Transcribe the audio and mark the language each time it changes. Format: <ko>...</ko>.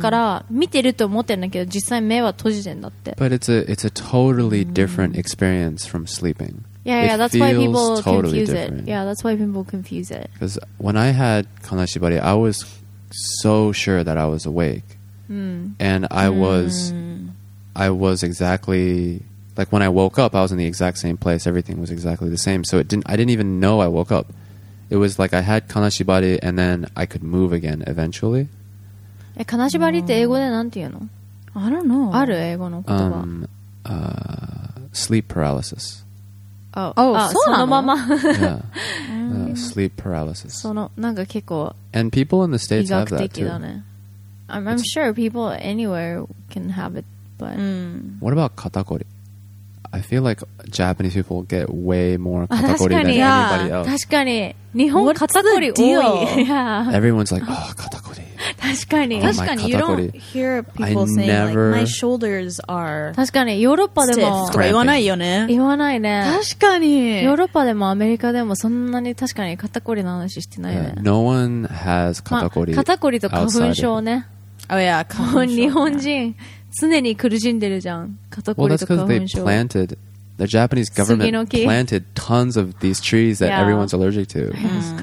<ja>だから見てると思ってるんだけど実際目は閉じてんだって</ja> <en>But it's a totally different experience from sleeping. Yeah, that's why people confuse it. Yeah, that's why people confuse it. Because when I had kanashibari, I was so sure that I was awake. And I was exactly like when I woke up, I was in the exact same place. Everything was exactly the same. So I didn't even know I woke up. It was like I had kanashibari and then I could move again eventually.</en> <ja>Kanashibari って英語で何て言うの?</ja> <en>I don't know.</en> <ja>ある英語の言葉?</ja> <en>Sleep paralysis.</en> <ja>Oh, そうなの? そのまま?</ja> <en>Yeah. Sleep paralysis.</en> <ja>その、なんか結構...</ja> <en>And people in the States have that too. I'm sure people anywhere can have it, but... What about katakori? I feel like Japanese people get way more katakori than anybody else.</en> <ja>確かに。日本katakori 多い。</ja> <en>Everyone's like, oh, katakori.</en> <ja>確確かに</ja> <en>You don't hear people saying like, my shoulders are stiff.</en> <ja>確かにヨーロッパでも言わないよね。言わないね。確かにヨーロッパでもアメリカでもそんなに確かに肩こりの話してないね。</ja> <en>No one has 肩こり。</en> <ja>肩こりと花粉症ね。</ja> <en>Oh yeah,</en> <ja>花粉症。日本人常に苦しんでるじゃん。肩こりと花粉症。</ja> <en>Well, that's because they planted. The Japanese government planted tons of these trees that everyone's allergic to.</en>